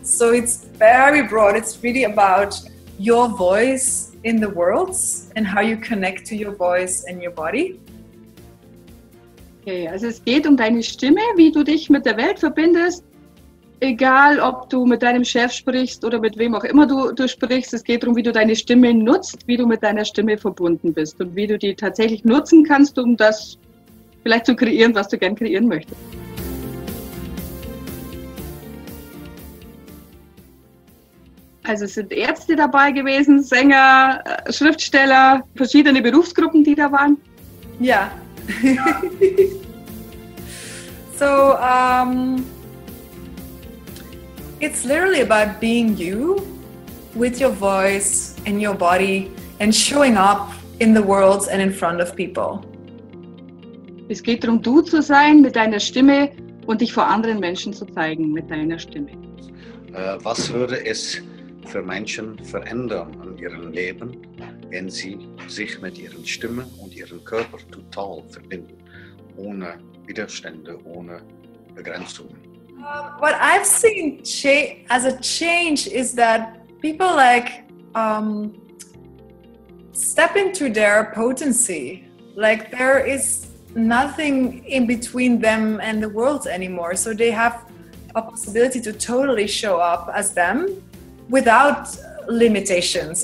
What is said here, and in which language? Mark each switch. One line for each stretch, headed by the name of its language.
English: So it's very broad. It's really about your voice in the world and how you connect to your voice and your body.
German: Okay, also es geht um deine Stimme, wie du dich mit der Welt verbindest, egal ob du mit deinem Chef sprichst oder mit wem auch immer du sprichst, es geht darum, wie du deine Stimme nutzt, wie du mit deiner Stimme verbunden bist und wie du die tatsächlich nutzen kannst, um das vielleicht zu kreieren, was du gern kreieren möchtest. Also es sind Ärzte dabei gewesen, Sänger, Schriftsteller, verschiedene Berufsgruppen, die da waren? Ja.
English: So it's literally about being you with your voice and your body and showing up in the world and in front of people.
German: Es geht darum, du zu sein mit deiner Stimme und dich vor anderen Menschen zu zeigen mit deiner Stimme. Was würde es für Menschen verändern in ihrem Leben, wenn sie sich mit ihren Stimmen und ihrem Körper total verbinden, ohne Widerstände, ohne Begrenzungen?
English: What I've seen as a change is that people like step into their potency. Like there is nothing in between them and the world anymore. So they have a possibility to totally show up as them without limitations.